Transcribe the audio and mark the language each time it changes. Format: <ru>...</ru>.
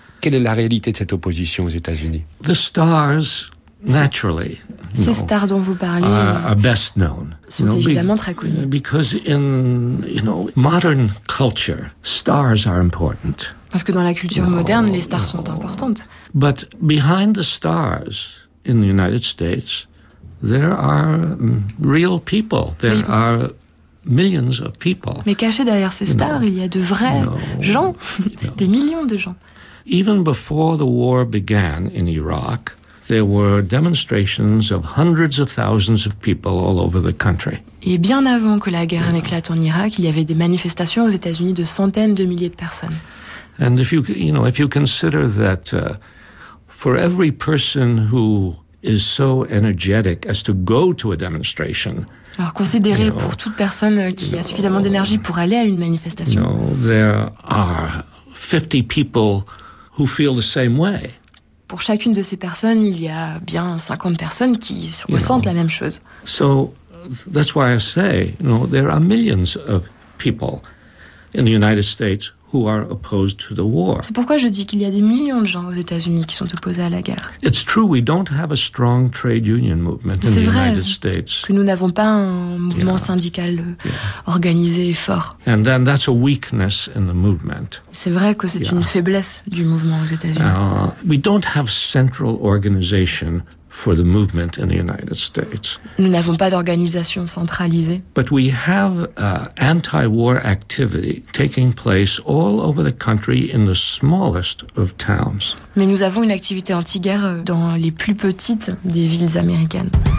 <fr>Quelle est la réalité de cette opposition aux États-Unis?</fr> <en>The stars, naturally.</en> <fr>Ces stars dont vous parlez</fr> <en>are best known.</en> <fr>Sont évidemment très connues.</fr> <en>Because in, modern culture, stars are important.</en> <fr>Parce que dans la culture moderne, les stars sont importantes.</fr> <en>But behind the stars in the United States, there are real people. There are millions of people.</en> <fr>Mais caché derrière ces stars, il y a de vrais gens, des millions de gens.</fr> <en>Even before the war began in Iraq, there were demonstrations of hundreds of thousands of people all over the country.</en> <fr>Et bien avant que la guerre n'éclate en Irak, il y avait des manifestations aux États-Unis de centaines de milliers de personnes.</fr> <en>And if you consider that for every person who is so energetic as to go to a demonstration,</en> <fr>alors considérez pour toute personne qui a suffisamment d'énergie pour aller à une manifestation,</fr> <en>there are 50 people who feel the same way.</en> <fr>Pour chacune de ces personnes, il y a bien 50 personnes qui ressentent la même chose.</fr> <en>So that's why I say, there are millions of people in the United States who are opposed to the war.</en> <fr>C'est pourquoi je dis qu'il y a des millions de gens aux États-Unis qui sont opposés à la guerre.</fr> <en>It's true we don't have a strong trade union movement in the United States.</en> <fr>C'est vrai que nous n'avons pas un mouvement syndical organisé et fort.</fr> <en>And then that's a weakness in the movement.</en> <fr>C'est vrai que c'est une faiblesse du mouvement aux États-Unis.</fr> <en>We don't have central organization for the movement in the United States.</en> <fr>Nous n'avons pas d'organisation centralisée.</fr> <en>But we have anti-war activity taking place all over the country in the smallest of towns.</en> <fr>Mais nous avons une activité anti-guerre dans les plus petites des villes américaines.</fr>